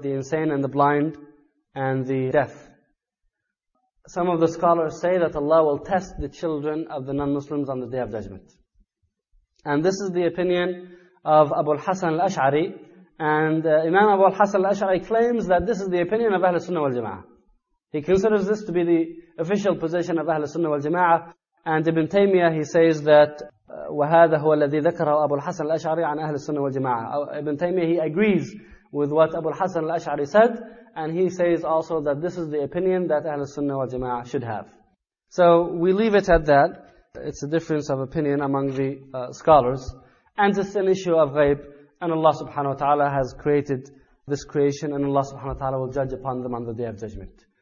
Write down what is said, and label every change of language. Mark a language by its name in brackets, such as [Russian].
[English] The insane and the blind and the deaf. Some of the scholars say that Allah will test the children of the non-Muslims on the Day of Judgment. And this is the opinion of Abu al-Hasan al-Ash'ari. And Imam Abu al-Hasan al-Ash'ari claims that this is the opinion of Ahl al-Sunnah wal-Jama'ah. He considers this to be the official position of Ahl al-Sunnah wal-Jama'ah. And Ibn Taymiyyah, he says that [Arabic] وَهَذَا هُوَ الَّذِي ذَكَرَهُ أَبُو الْحَسَنِ الْأَشْعَرِي عَنْ أَهْلِ السُّنَّةِ وَالْجَمَاعَةِ. [English] Ibn Taymiyyah, he agrees with what Abu al-Hasan al-Ash'ari said, and he says also that this is the opinion that Ahl al-Sunnah wal-Jama'ah should have. So we leave it at that. It's a difference of opinion among the scholars, and it's an issue of ghaib, and Allah subhanahu wa ta'ala has created this creation, and Allah subhanahu wa ta'ala will judge upon them on the Day of Judgment.